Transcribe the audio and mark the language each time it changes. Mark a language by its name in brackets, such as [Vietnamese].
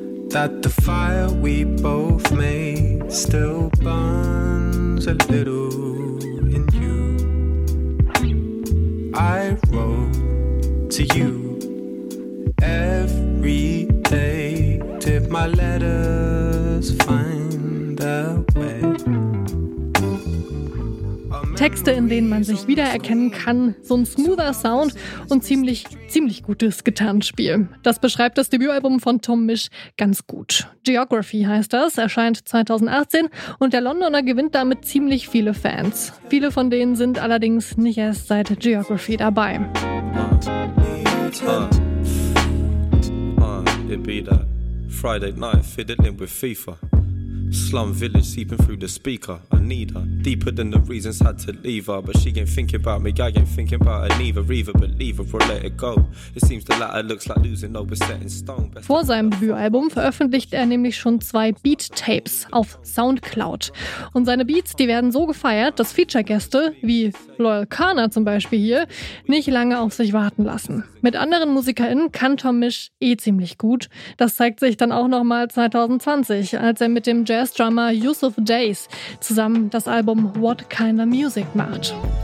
[English] That the fire we both made still burns a little in you. I wrote to you every day, did my letters find their way. [German] Texte, in denen man sich wiedererkennen kann, so ein smoother Sound und ziemlich gutes Gitarrenspiel. Das beschreibt das Debütalbum von Tom Misch ganz gut. Geography heißt das, erscheint 2018 und der Londoner gewinnt damit ziemlich viele Fans. Viele von denen sind allerdings nicht erst seit Geography dabei. [English] Ibiza, Friday night, fiddling with FIFA. Slum village seeping through the speaker. I need her deeper than the reasons had to leave her. But she ain't thinking about me, I ain't thinking about her neither. Either believe her or let it go. It seems the latter looks like losing over setting stone. [German] Vor seinem Debütalbum veröffentlicht er nämlich schon 2 Beat-Tapes auf Soundcloud. Und seine Beats, die werden so gefeiert, dass Feature-Gäste, wie Loyal Kana zum Beispiel hier, nicht lange auf sich warten lassen. Mit anderen MusikerInnen kann Tom Misch eh ziemlich gut. Das zeigt sich dann auch nochmal 2020, als er mit dem Jazz-Drummer Yusuf Days zusammen das Album What Kind of Music macht.